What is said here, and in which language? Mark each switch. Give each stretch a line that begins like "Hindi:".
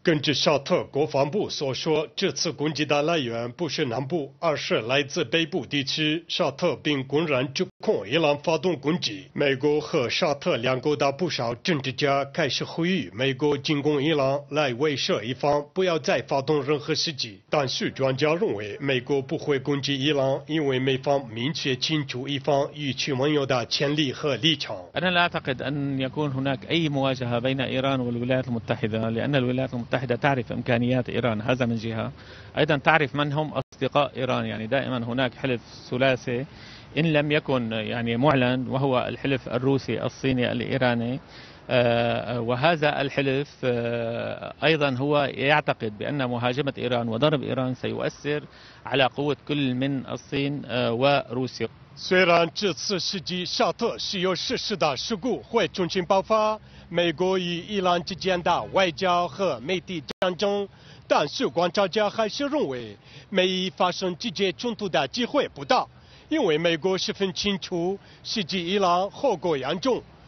Chinese: 根据沙特国防部所说这次攻击的来源不是南部而是来自北部地区沙特并公然指控伊朗发动攻击美国和沙特两国的不少政治家开始呼吁美国进攻伊朗来威慑一方不要再发动任何袭击但许专家认为美国不会攻击伊朗因为美方明确清楚一方与其盟友的潜力和立场
Arabic: أنا لا أعتقد أن يكون هناك أي مواجهة بين إيران والولايات المتحدة لأن الولايات المتحدة تعرف إمكانيات إيران هذا من جهة أيضا تعرف من هم أصدقاء إيران يعني دائما هناك حلف ثلاثي إن لم يكن يعني معلن وهو الحلف الروسي الصيني الإيراني وهذا الحلف أيضا هو يعتقد بأن مهاجمة إيران وضرب إيران سيؤثر على قوة كل من الصين وروسيا
Chinese: 虽然这次袭击沙特石油设施的事故会重新爆发美国与伊朗之间的外交和媒体战争但是观察家还是认为美伊发生直接冲突的机会不大因为美国十分清楚袭击伊朗后果严重